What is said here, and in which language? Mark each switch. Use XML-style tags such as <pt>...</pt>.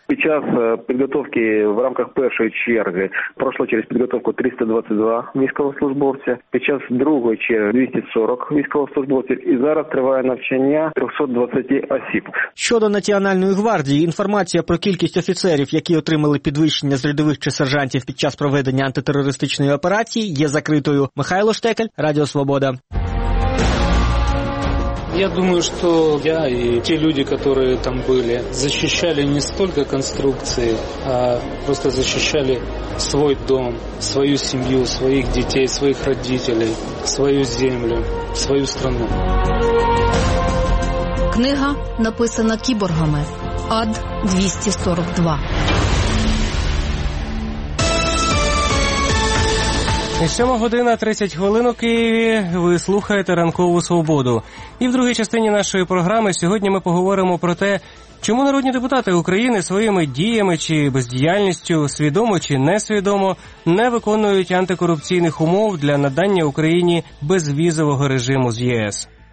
<uk>Під час підготовки в рамках першої черги пройшло через підготовку 322 військовослужбовця, під час другої черги 240 військовослужбовців, і зараз триває навчання 320 осіб. Щодо Національної гвардії, інформація про кількість офіцерів, які отримали підвищення з рядових чи сержантів під час проведення антитерористичної операції, є закритою. Михайло Штекель, Радіо Свобода.</uk> <ru>Я думаю, что я и те люди, которые там были, защищали не столько конструкции, а просто защищали свой дом, свою семью, своих детей, своих родителей, свою землю, свою страну.</ru> <uk>Книга написана кіборгами. Ад 242. Сьома година, 30 хвилин у Києві. Ви слухаєте «Ранкову свободу». І в другій частині нашої програми сьогодні ми поговоримо про те, чому народні депутати України своїми діями чи бездіяльністю, свідомо чи несвідомо, не виконують антикорупційних умов для надання Україні безвізового режиму з ЄС.</uk>